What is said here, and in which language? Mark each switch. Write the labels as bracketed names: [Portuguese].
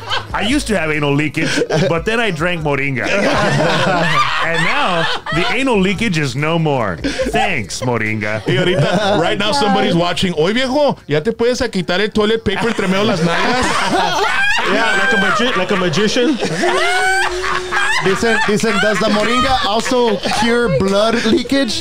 [English] I used to have anal leakage, but then I drank moringa. And now the anal leakage is no more. Thanks, moringa. Right now, somebody's watching. [Spanish] Oye, viejo, ya te puedes quitar el toilet paper entre medio las nalgas? [English] Yeah, like a magician. [Spanish] Dicen, [English] does the moringa also cure blood leakage?